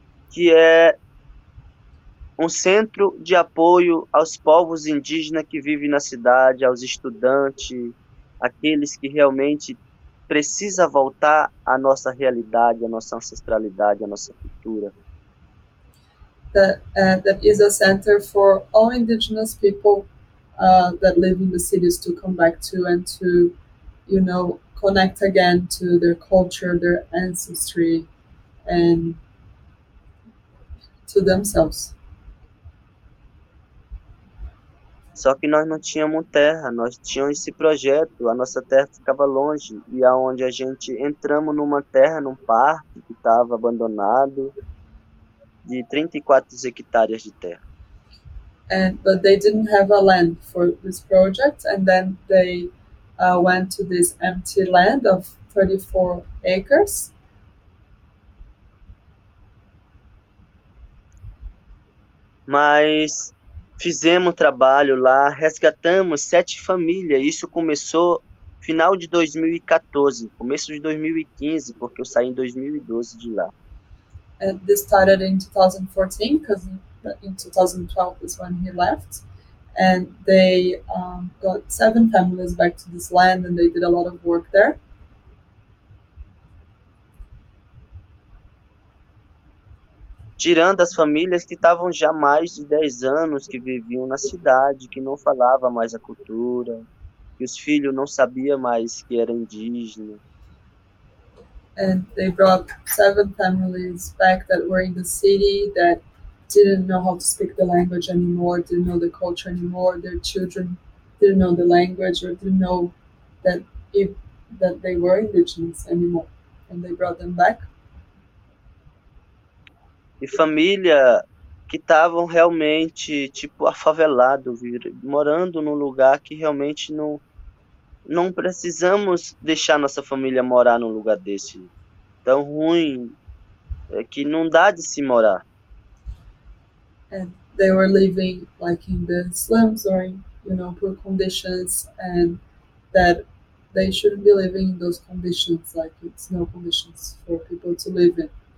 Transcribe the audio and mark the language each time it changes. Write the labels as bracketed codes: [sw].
[pt] Que é um centro de apoio aos povos indígenas que vivem na cidade, aos estudantes, aqueles que realmente precisam voltar à nossa realidade, à nossa ancestralidade, à nossa cultura. [en] That is a center for all indigenous people that live in the cities to come back to and to, you know, connect again to their culture, their ancestry, and to themselves. [pt] Só que nós não tínhamos terra, nós tínhamos esse projeto, a nossa terra ficava longe, e aonde a gente entramos numa terra, num parque que estava abandonado, de 34 hectares de terra. [en] But they didn't have a land for this project, and then they went to this empty land of 34 acres. [pt] Mas fizemos trabalho lá, resgatamos 7 famílias. Isso começou final de 2014, começo de 2015, porque eu saí em 2012 de lá. [en] And this started in 2014, because in 2012 is when he left. And they got 7 families back to this land, and they did a lot of work there. [pt] Tirando as famílias que estavam já mais de 10 anos, que viviam na cidade, que não falava mais a cultura, que os filhos não sabiam mais que era indígena. [en] And they brought 7 families back that were in the city that didn't know how to speak the language anymore, didn't know the culture anymore, their children didn't know the language or didn't know that that they were indigenous anymore. And they brought them back. [pt] E família que estavam realmente, tipo, afavelado, morando num lugar que realmente Não precisamos deixar nossa família morar num lugar desse, tão ruim, que não dá de se morar. [en] And they were living like in the slums or in, you know, poor conditions, and that they shouldn't be living in those conditions, like it's no conditions for people to live in.